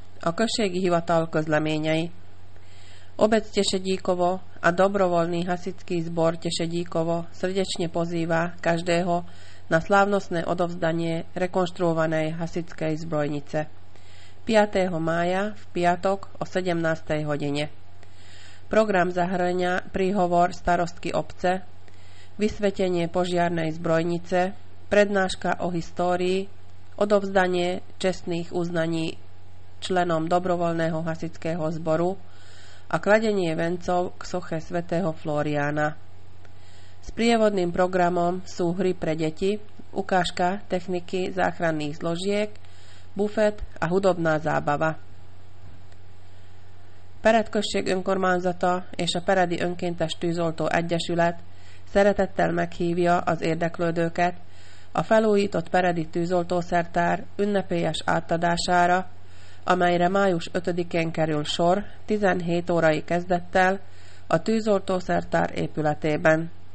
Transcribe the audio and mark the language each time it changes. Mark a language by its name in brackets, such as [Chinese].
[Hungarian] A községi hivatal közleményei. [Slovak] Obec Tešedíkovo a dobrovoľný hasičský zbor Tešedíkovo srdečne pozýva každého na slávnostné odovzdanie rekonštruovanej hasičskej zbrojnice 5. mája v piatok o 17. hodine. Program zahŕňa príhovor starostky obce, vysvetenie požiarnej zbrojnice, prednáška o histórii, odovzdanie čestných uznaní členom dobrovoľného hasičského zboru a kladenie vencov k soche svätého Floriána. Sprievodným programom sú hry pre deti, ukážka techniky záchranných zložiek, bufet a hudobná zábava. [Hungarian] Paradkösség önkormányzata és a Paradi Önkéntes Tűzoltó Egyesület szeretettel meghívja az érdeklődőket a felújított Paradi Tűzoltószertár ünnepélyes átadására, amelyre május 5-én kerül sor 17 órai kezdettel a Tűzoltószertár épületében.